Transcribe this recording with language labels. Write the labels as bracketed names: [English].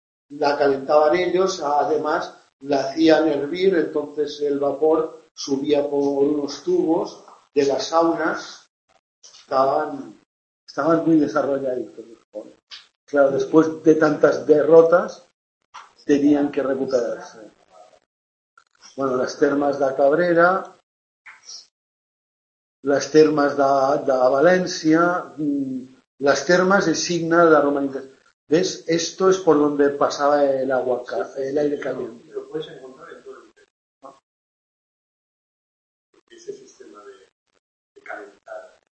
[Spanish] La calentaban ellos, además la hacían hervir, entonces el vapor subía por unos tubos de las saunas. Estaban muy desarrollados. Claro, después de tantas derrotas, tenían que recuperarse. Bueno, las termas de Cabrera... [Catalan] Les termes de València, les termes és signe de romanització. [Spanish] Ves, esto es por donde pasaba el agua, el aire caliente. Lo puedes encontrar en todo el interior. Porque ese sistema de calentar.